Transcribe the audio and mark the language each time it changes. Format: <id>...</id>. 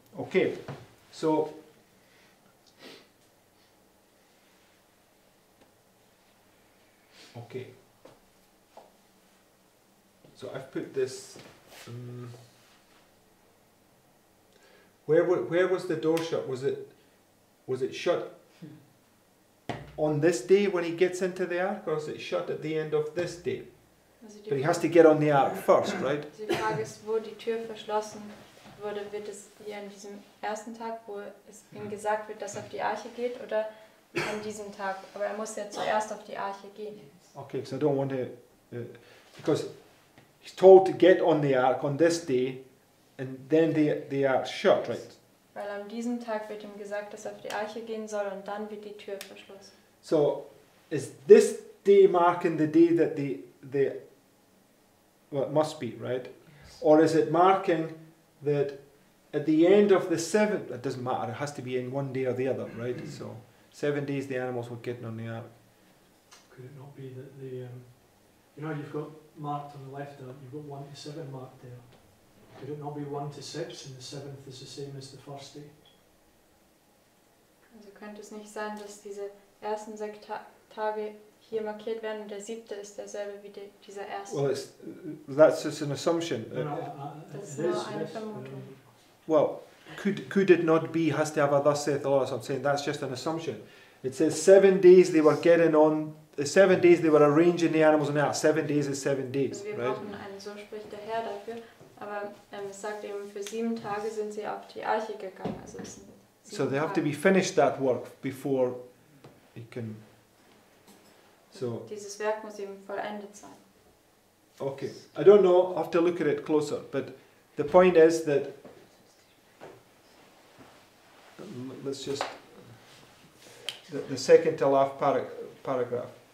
<en>Okay, so I've put this. Where was the door shut? Was it shut on this day when he gets into the ark, or is it shut at the end of this day? But he has to get on the ark first, right?</en> <de>Die Frage ist, wo die Tür verschlossen wurde, wird es hier an diesem ersten Tag, wo es ihm gesagt wird, dass er auf die Arche geht, oder an diesem Tag? Aber er muss ja zuerst auf die Arche gehen.</de> <en>Okay, so I don't want to, because he's told to get on the ark on this day, and then the ark shut, right?</en> <de>Weil an diesem Tag wird ihm gesagt, dass er auf die Arche gehen soll, und dann wird die Tür verschlossen.</de> <en>So, is this day marking the day that it must be, right? Yes. Or is it marking that at the end of the seventh, it doesn't matter, it has to be in one day or the other, right? So 7 days the animals were getting on the ark. Could it not be that the, you know, you've got marked on the left, you've got 1 to 7 marked there. Could it not be 1 to 6 and the seventh is the same as the first day?</en> <de>Also könnte es nicht sein, dass diese ersten 6 Tage hier markiert werden und der siebte ist derselbe wie dieser erste.</de> <en>Well, that's just an assumption.</en> <de>Das ist nur eine Vermutung.</de> <en>Well, could it not be, has to have a thus saith the Lord, so I'm saying that's just an assumption. It says 7 days they were getting on, 7 days they were arranging the animals on the ark. 7 days is 7 days,</en> <de>wir</de> <en>right?</en> <de>Wir brauchen einen, so spricht der Herr dafür, aber es sagt eben, für 7 Tage sind sie auf die Arche gegangen. Also</de> <en>so they have to be finished that work before it can...</en> <de>So, dieses Werk muss eben vollendet sein.</de> <en>Okay, I don't know, I have to look at it closer, but the point is that, let's just, the second to last paragraph.</en>